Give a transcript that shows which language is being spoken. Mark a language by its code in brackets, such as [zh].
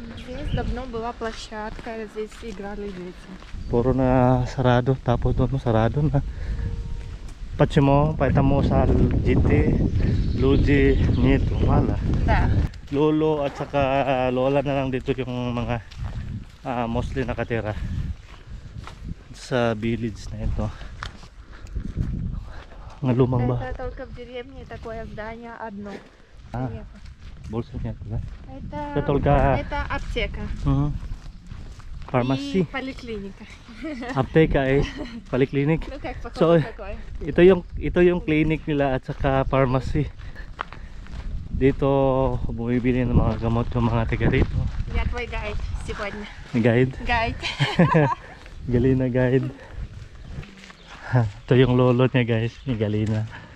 [ru] Здесь давно была площадка, здесь играли дети. [tl] Puro na sarado, tapos doon sarado na. [ru] Почему? [tl] Поэтому sa GT, Luigi, Nito, Mala. [ru] Da. [tl] Lolo at saka Lola na lang dito yung mga mostly nakatira sa village na ito. Ang lumang ba? [ru] Это только в деревне такое здание одно. Больше нет, да? Это только... Это аптека. Фармаси. И поликлиника. Аптека, поликлиник. Ну как, похоже, такое. [tl] Ito yung clinic nila at saka pharmacy. Dito bumibili ng mga gamot yung mga taga rito. [ru] Я твой гайд сегодня. Гайд? Гайд. Галина гайд. [tl] Ito yung lolo niya, guys, ni Галина.